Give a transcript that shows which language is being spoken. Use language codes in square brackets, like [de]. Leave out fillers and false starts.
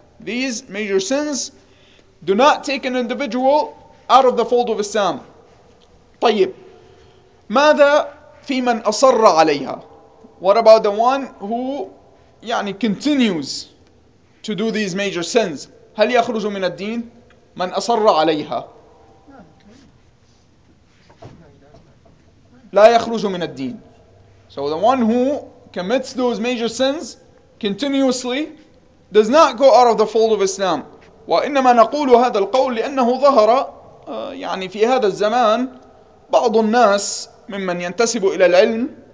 [en] These major sins do not take an individual out of the fold of Islam. [ar] طيب ماذا في من أصر عليها؟ [en] What about the one who يعني continues to do these major sins? [ar] هل يخرج من الدين؟ من أصر عليها لا يخرج من الدين. [en] So the one who commits those major sins continuously does not go out of the fold of Islam. [ar] وإنما نقول هذا القول لأنه ظهر يعني في هذا الزمان بعض الناس ممن ينتسب إلى العلم